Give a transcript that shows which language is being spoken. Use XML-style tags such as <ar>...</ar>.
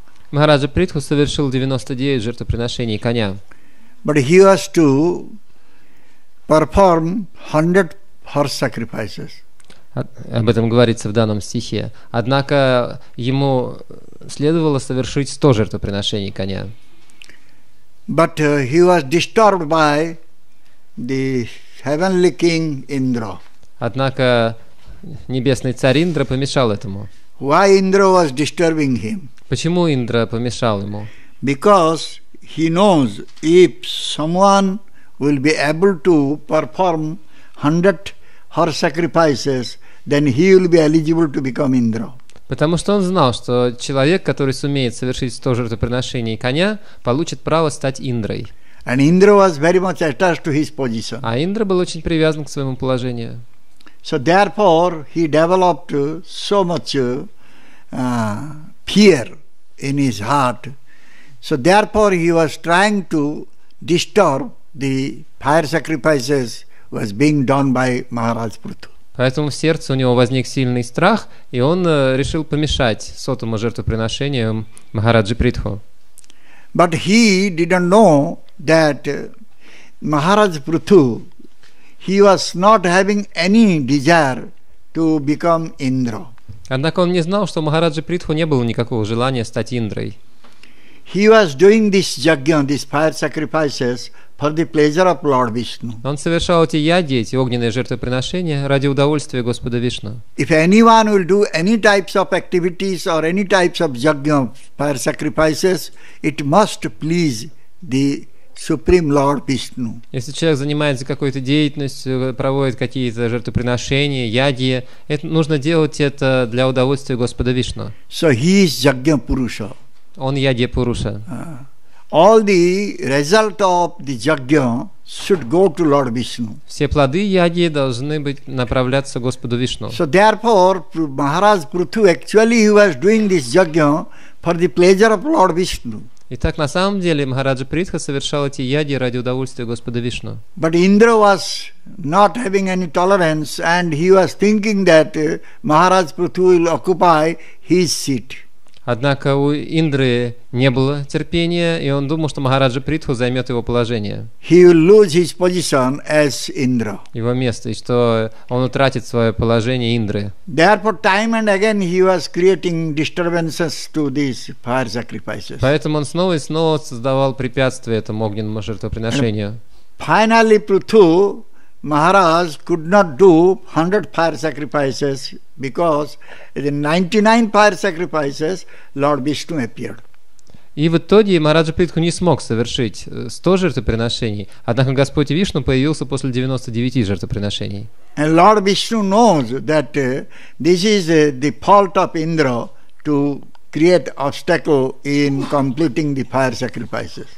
<ru>Maharaja Prithu совершил 99 жертвоприношений коня.</ru> <en>But he was to perform 100 horse sacrifices.</en> <ru>Об этом говорится в данном стихе. Однако ему следовало совершить 100 жертвоприношений коня.</ru> <en>But he was disturbed by the heavenly king Indra.</en> <ru>Однако небесный царь Индра помешал этому.</ru> <en>Why Indra was disturbing him?</en> <ru>Почему Индра помешал ему?</ru> <en>Because he knows if someone will be able to perform 100 horse sacrifices, then he will be eligible to become Indra.</en> <ru>Потому что он знал, что человек, который сумеет совершить 100 жертвоприношений коня, получит право стать Индрой.</ru> <en>And Indra was very much attached to his position.</en> <ru>А Индра был очень привязан к своему положению.</ru> <en>So therefore he developed so much fear in his heart. So therefore he was trying to disturb the fire sacrifices was being done by Maharaj Prithu.</en> <ru>Поэтому в сердце у него возник сильный страх, и он решил помешать сотому жертвоприношению Махараджи Притху.</ru> <en>But he didn't know that Maharaj Prithu, he was not having any desire to become Indra.</en> <ru>Однако он не знал, что Махараджи Притху не было никакого желания стать Индрой.</ru> <en>He was doing this jagya, these fire sacrifices, For the pleasure of Lord Vishnu.</en> <ru>Он совершал эти яги, эти огненные жертвоприношения ради удовольствия Господа Вишну.</ru> <en>If anyone will do any types of activities or any types of yajna, fire sacrifices, it must please the Supreme Lord Vishnu.</en> <ru>Если человек занимается какой-то деятельностью, проводит какие-то жертвоприношения, яги, это нужно делать это для удовольствия Господа Вишну.</ru> <en>So he is yajna purusha.</en> <ru>Он яги пуруша.</ru> <en>All the result of the yajna should go to Lord Vishnu.</en> <ru>Все плоды яги должны быть направляться Господу Вишну.</ru> <en>So therefore, Maharaj Prithu actually he was doing this yajna for the pleasure of Lord Vishnu.</en> <ru>Итак, на самом деле Махараджа Притха совершал эти яги ради удовольствия Господа Вишну.</ru> <en>But Indra was not having any tolerance, and he was thinking that Maharaj Prithu will occupy his seat.</en> <ru>Однако у Индры не было терпения, и он думал, что Махараджа Притху займет его положение.</ru> <en>He will lose his position as Indra.</en> <ru>Его место, и что он утратит свое положение Индры.</ru> <en>Therefore, time and again he was creating disturbances to these fire sacrifices.</en> <ru>Поэтому он снова и снова создавал препятствия этому огненному жертвоприношению.</ru> <en>And finally, Prithu Maharaj could not do 100 fire sacrifices because in 99 fire sacrifices Lord Vishnu appeared.</en> <ru>И в итоге Махараджа Притху не смог совершить 100 жертвоприношений, однако Господь Вишну появился после 99 жертвоприношений.</ru> <en>And Lord Vishnu knows that this is the fault of Indra to create obstacle in completing the fire sacrifices.</en>